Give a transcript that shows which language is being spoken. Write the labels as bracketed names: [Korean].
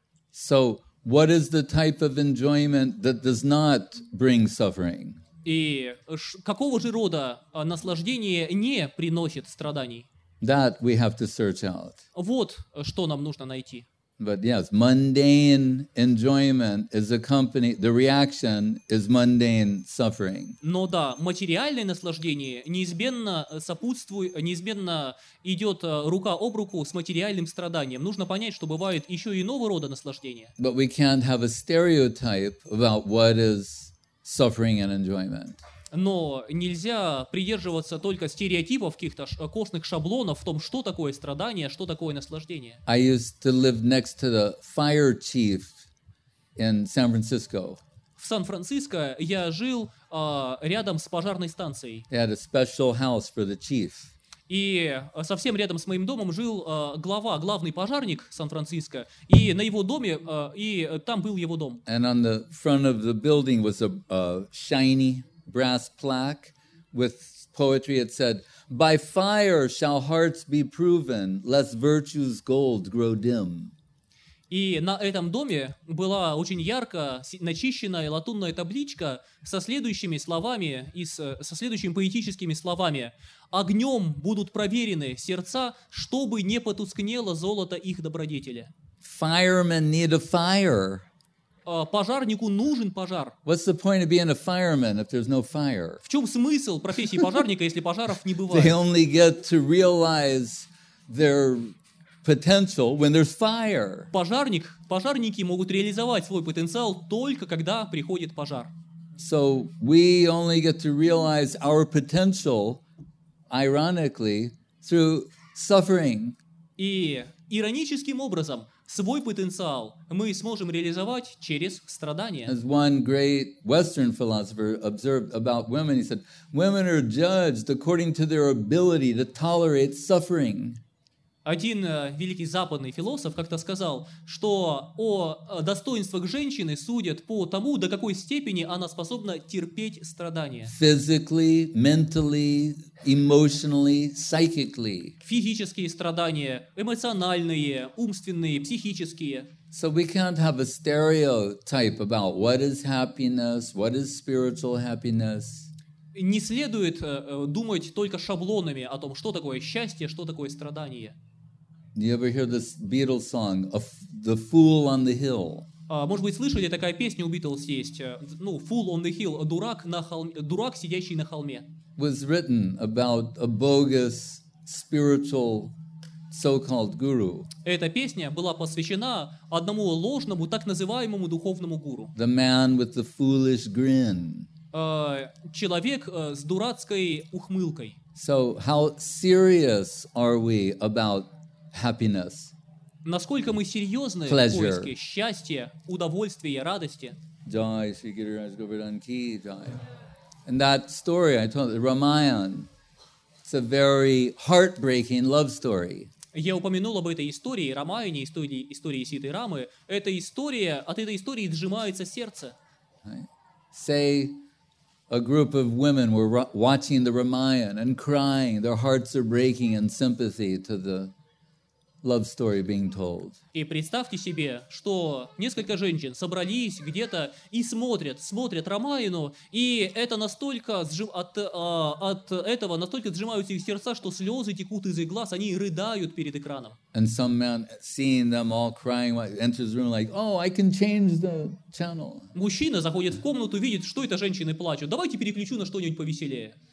[English] So, what is the type of enjoyment that does not bring suffering? [Russian] И какого же рода наслаждение не приносит страданий? [English] That we have to search out. [Russian] Вот что нам нужно найти. [English] But yes, mundane enjoyment is accompanied, the reaction is mundane suffering. [Russian] Но да, материальное наслаждение неизменно сопутствует, неизменно идет рука об руку с материальным страданием. Нужно понять, что бывает еще иного рода наслаждение. [English] But we can't have a stereotype about what is suffering and enjoyment. [Russian] Но нельзя придерживаться только стереотипов, каких-то костных шаблонов в том, что такое страдание, что такое наслаждение. [English] I used to live next to the fire chief in San Francisco. [Russian] В Сан-Франциско я жил рядом с пожарной станцией. [English] They had a special house for the chief. [Russian] И совсем рядом с моим домом жил главный пожарник Сан-Франциско, и на его доме, и там был его дом. [English] And on the front of the building was a shiny brass plaque with poetry. It said, "By fire shall hearts be proven, lest virtue's gold grow dim." [Russian] И на этом доме была очень ярко начищенная латунная табличка со следующими словами и со следующими поэтическими словами: "Огнем будут проверены сердца, чтобы не потускнело золото их добродетели." [English] Firemen need a fire. [Russian] Пожарнику нужен пожар. [English] What's the point of being a fireman if there's no fire? [Russian] В чем смысл профессии пожарника, если пожаров не бывает? [English] They only get to realize their potential when there's fire. [Russian] Пожарники могут реализовать свой потенциал только когда приходит пожар. [English] So we only get to realize our potential, ironically, through suffering. [Russian] И ироническим образом свой потенциал мы сможем реализовать через страдания. [English] As one great Western philosopher observed about women, he said, "Women are judged according to their ability to tolerate suffering." [Russian] Один великий западный философ как-то сказал, что о достоинствах женщины судят по тому, до какой степени она способна терпеть страдания. [English] Physically, mentally, emotionally, psychically. [Russian] Физические страдания, эмоциональные, умственные, психические. [English] So we can't have a stereotype about what is happiness, what is spiritual happiness. [Russian] Не следует думать только шаблонами о том, что такое счастье, что такое страдание. [English] You ever hear this Beatles song, "The Fool on the Hill"? [Russian] Может быть, слышали такая песня у Beatles есть, ну, [English] "Fool on the Hill", [Russian] дурак на холме, дурак сидящий на холме. [English] Was written about a bogus spiritual so-called guru. [Russian] Эта песня была посвящена одному ложному так называемому духовному гуру. [English] The man with the foolish grin. [Russian] Человек с дурацкой ухмылкой. [English] So how serious are we about happiness? [Russian] Насколько мы серьезны в поиске счастья, удовольствия, радости? [Hindi] Joy, Sri Giriraj Govardhan ki, joy. [English] And that story I told, the Ramayana, it's a very heartbreaking love story. [Russian] Я упомянул об этой истории, Рамаяне, истории Ситы Рамы. Эта история, от этой истории сжимается сердце. [English] Say a group of women were watching the Ramayana and crying. Their hearts are breaking in sympathy to the love story being told. [Russian] И представьте себе, что несколько женщин собрались где-то и смотрят Рамаяну, и это настолько от этого настолько сжимаются их сердца, что слезы текут из их глаз, они рыдают перед экраном. [English] And some man, seeing them all crying, enters the room like, "Oh, I can change the channel." [Russian] Мужчина заходит в комнату, видит, что это женщины плачут. Давайте переключу на что-нибудь повеселее.